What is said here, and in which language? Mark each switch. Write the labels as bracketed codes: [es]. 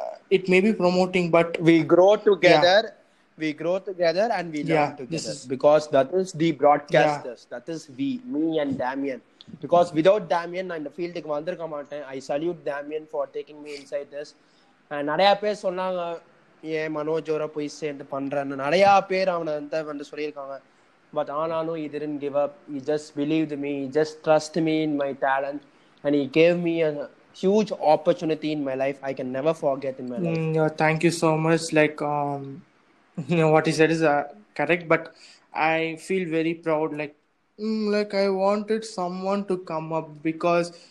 [en] It may be promoting, but we grow together. Yeah. We grow together and we learn together. Because that is the broadcasters. Yeah. That is me and Damien. Because without Damien, I'm in the field. I salute Damien for taking me inside this. [ta] And நிறைய பேர் சொன்னாங்க ஏன் மனோஜோரை போய் சேர்ந்து பண்றேன்னு நிறைய பேர் அவனை வந்து வந்து சொல்லியிருக்காங்க. பட் ஆனாலும் [en] he didn't give up. He just believed me. He just trust me in my talent. And he gave me a huge opportunity in my life. I can never forget in my life. Thank you so much. Like, you know what he said is correct, but I feel very proud. Like I wanted someone to come up, because